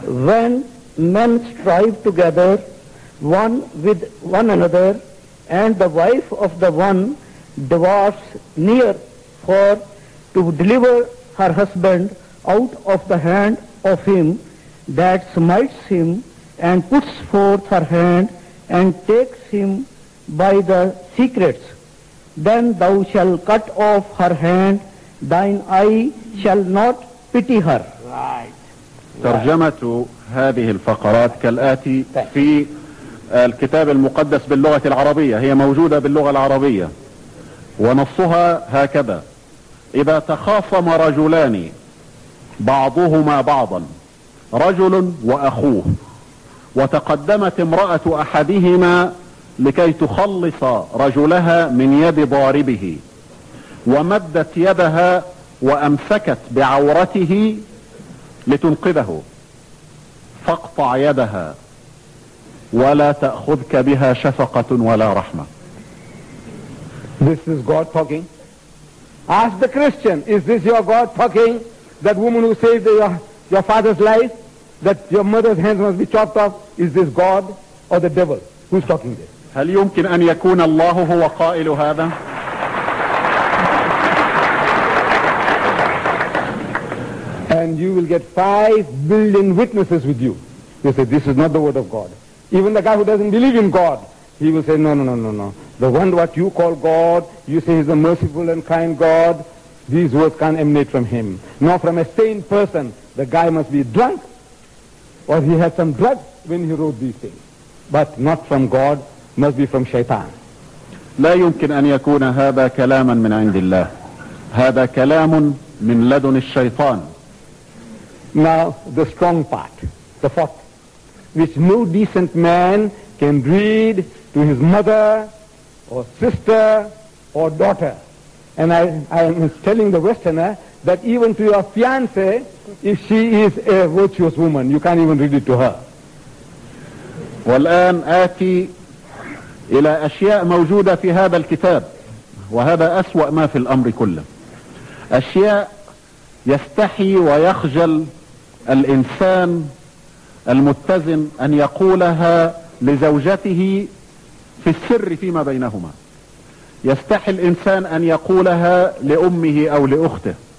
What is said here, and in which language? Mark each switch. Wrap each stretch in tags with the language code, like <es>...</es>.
<en>When men strive together, one with one another, and the wife of the one draws near for to deliver her husband out of the hand of him that smites him, and puts forth her hand and takes him by the secrets, then thou shalt cut off her hand, thine eye shall not pity her. Right.</en> <ar>ترجمة هذه الفقرات كالآتي في الكتاب المقدس باللغة العربية، هي موجودة باللغة العربية، ونصها هكذا: إذا تخاصم رجلان بعضهما بعضا، رجل وأخوه، وتقدمت امرأة أحدهما لكي تخلص رجلها من يد ضاربه، ومدت يدها وأمسكت بعورته لتنقذه، فاقطع يدها ولا تأخذك بها شفقة ولا رحمة.</ar> <en>This is God talking. Ask the Christian, is this your God talking? That woman who saved your father's life, that your mother's hands must be chopped off, is this God or the devil? Who's talking there?</en> <ar>هل يمكن أن يكون الله هو قائل هذا؟</ar> <en>And you will get 5 billion witnesses with you. You say, this is not the word of God. Even the guy who doesn't believe in God, he will say, no. The one what you call God, you say he's a merciful and kind God, these words can't emanate from him. Nor from a sane person. The guy must be drunk, or he had some drugs when he wrote these things. But not from God, must be from Shaitan.</en> <ar>لا يمكن أن يكون هذا كلاما من عند الله. هذا كلام من لدن الشيطان.</ar> <en>Now, the strong part, the fourth, which no decent man can read to his mother or sister or daughter. And I am telling the Westerner that even to your fiance, if she is a virtuous woman, you can't even read it to her.</en> <ar>والآن آتي إلى أشياء موجودة في هذا الكتاب، وهذا أسوأ ما في الأمر كله. أشياء يستحي ويخجل الإنسان المتزن أن يقولها لزوجته في السر فيما بينهما، يستحي الإنسان أن يقولها لأمه أو لأخته.</ar>